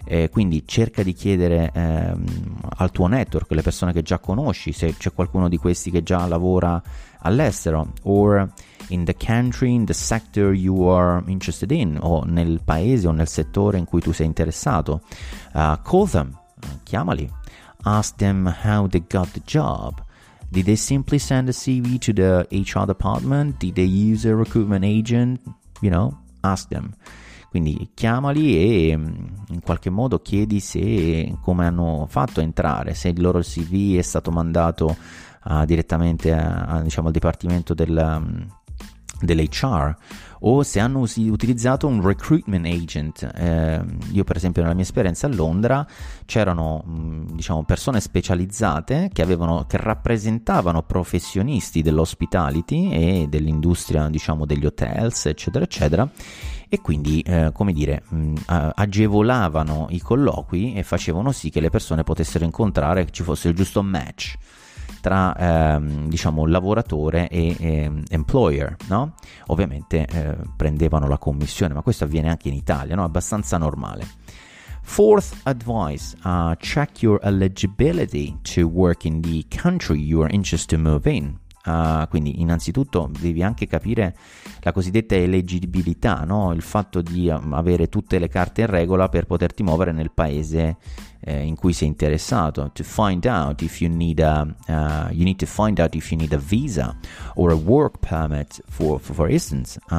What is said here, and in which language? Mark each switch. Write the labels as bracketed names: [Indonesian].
[Italian] Quindi cerca di chiedere al tuo network, le persone che già conosci, se c'è qualcuno di questi che già lavora all'estero, [English] or in the country, in the sector you are interested in, [Italian] o nel paese o nel settore in cui tu sei interessato. [English] Call them, [Italian] chiamali, [English] ask them how they got the job. Did they simply send a CV to the HR department? Did they use a recruitment agent? Ask them. [Italian] Quindi chiamali e in qualche modo chiedi se come hanno fatto a entrare, se il loro CV è stato mandato direttamente al dipartimento dell'HR, o se hanno utilizzato un recruitment agent. Io per esempio nella mia esperienza a Londra c'erano diciamo persone specializzate che rappresentavano professionisti dell'hospitality e dell'industria, diciamo, degli hotels eccetera eccetera, e quindi agevolavano i colloqui e facevano sì che le persone potessero incontrare, che ci fosse il giusto match tra diciamo lavoratore e employer, no? Ovviamente prendevano la commissione, ma questo avviene anche in Italia, no? Abbastanza normale. [English] Fourth advice, check your eligibility to work in the country you are interested to move in. [Italian] Quindi innanzitutto devi anche capire la cosiddetta eleggibilità, no? Il fatto di avere tutte le carte in regola per poterti muovere nel paese in cui sei interessato. [English] To find out if you need a you need to find out if you need a visa or a work permit for instance.